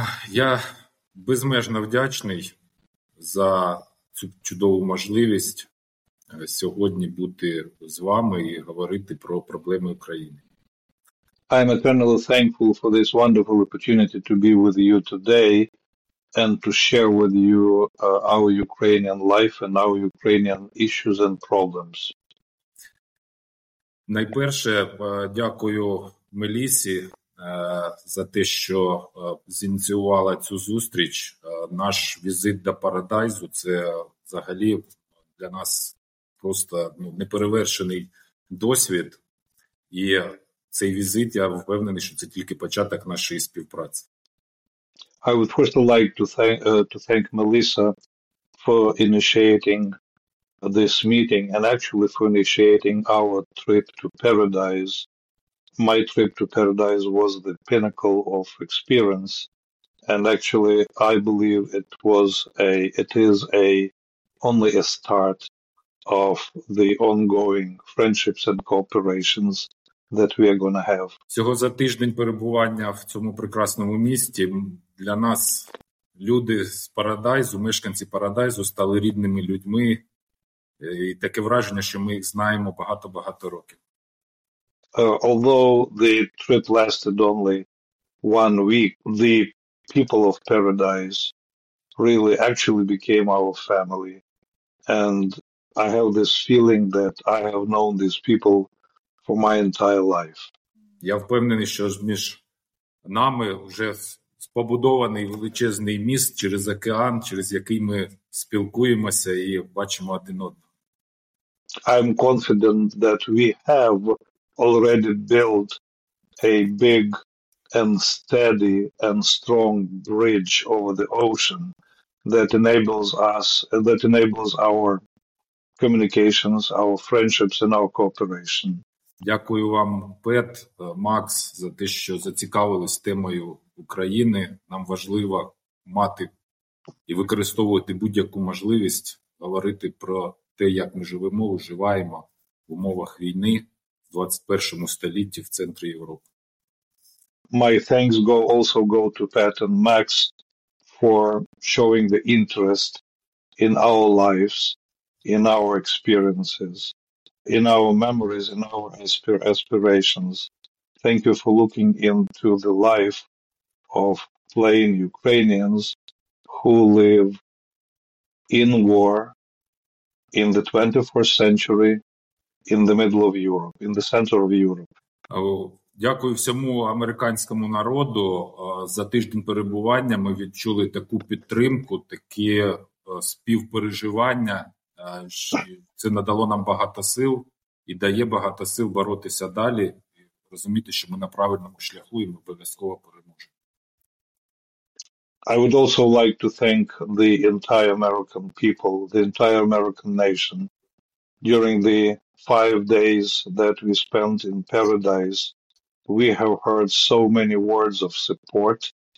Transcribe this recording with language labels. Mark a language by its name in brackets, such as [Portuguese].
[Ukrainian] Я безмежно вдячний за цю чудову можливість сьогодні бути з вами і говорити про проблеми України. [English] I'm eternally thankful for this wonderful opportunity to be with you today and to share with you our Ukrainian life and our Ukrainian issues and problems. [Ukrainian] Найперше, дякую Мелісі за те, що зініціювала цю зустріч. Наш візит до Парадайзу – це взагалі для нас просто неперевершений досвід. І цей візит, я впевнений, що це тільки початок нашої співпраці. [English] I would first like to thank Melissa for initiating this meeting and actually for initiating our trip to Paradise. My trip to Paradise was the pinnacle of experience, and actually I believe it is only a start of the ongoing friendships and cooperations that we are going to have. [Ukrainian] Цього за тиждень перебування в цьому прекрасному місті для нас люди з Парадайзу, мешканці Парадайзу стали рідними людьми. І таке враження, що ми їх знаємо багато-багато років. [English] Although the trip lasted only one week, the people of Paradise really actually became our family. And I have this feeling that I have known these people for my entire life. [Ukrainian] Я впевнений, що між нами вже побудований величезний міст через океан, через який ми спілкуємося і бачимо один одного. [English] I'm confident that we have already built a big and steady and strong bridge over the ocean that enables us, that enables our communications, our friendships and our cooperation. [Ukrainian] Дякую вам, Пет, Макс, за те, що зацікавились темою України. Нам важливо мати і використовувати будь-яку можливість говорити про те, як ми живемо, уживаємо в умовах війни в 21 столітті в центрі Європи. [English] My thanks also go to Pat and Max for showing the interest in our lives, in our experiences, in our memories, in our aspirations. Thank you for looking into the life of plain Ukrainians who live in war, in the 21st century, in the middle of Europe, in the center of Europe. [Ukrainian] Дякую всьому американському народу. За тиждень перебування ми відчули таку підтримку, такі співпереживання. Це надало нам багато сил і дає багато сил боротися далі, і розуміти, що ми на правильному шляху і ми обов'язково [English] I would also like to thank the entire American people, the entire American nation. During the 5 days that we spent in Paradise, we have heard so many words of support.